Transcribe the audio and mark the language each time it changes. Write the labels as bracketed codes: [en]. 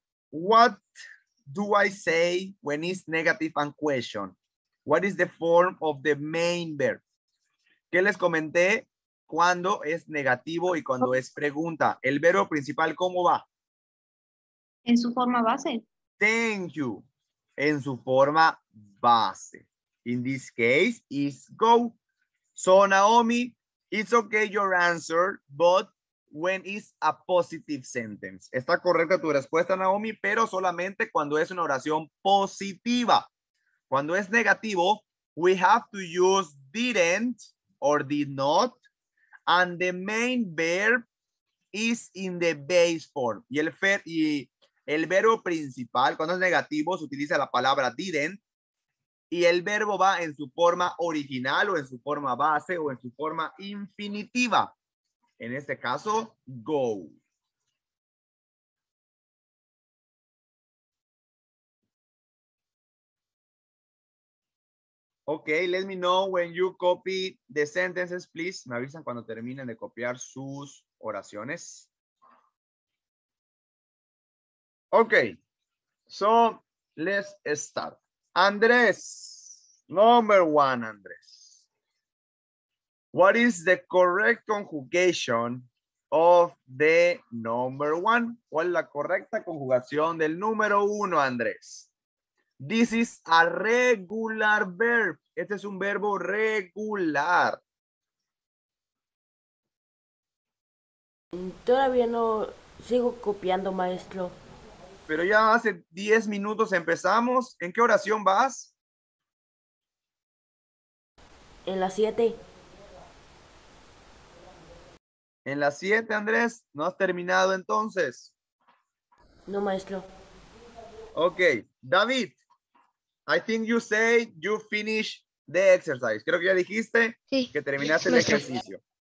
[en] What do I say when it's negative and question? What is the form of the main verb? [es] ¿Qué les comenté cuando es negativo y cuando es pregunta? ¿El verbo principal cómo va? En su forma base. [en] Thank you. [es] En su forma base. [en] In this case, is go. So, Naomi, it's okay your answer, but when is a positive sentence? [es] Está correcta tu respuesta, Naomi, pero solamente cuando es una oración positiva. Cuando es negativo, [en] we have to use didn't or did not, and the main verb is in the base form. [es] El verbo principal, cuando es negativo, se utiliza la palabra didn't y el verbo va en su forma original o en su forma base o en su forma infinitiva. En este caso, go. [en] Ok, let me know when you copy the sentences, please. [es] Me avisan cuando terminen de copiar sus oraciones. [en] Okay, so let's start. Andrés, number one, Andrés. What is the correct conjugation of the number one? [es] ¿Cuál es la correcta conjugación del número uno, Andrés? [en] This is a regular verb. [es] Este es un verbo regular. Todavía no, Sigo copiando, maestro. Pero ya hace 10 minutos empezamos. ¿En qué oración vas? En la 7. ¿En la 7, Andrés? ¿No has terminado entonces? No, maestro. [en] Okay, David. I think you say you finish the exercise. [es] Creo que ya dijiste que terminaste el ejercicio.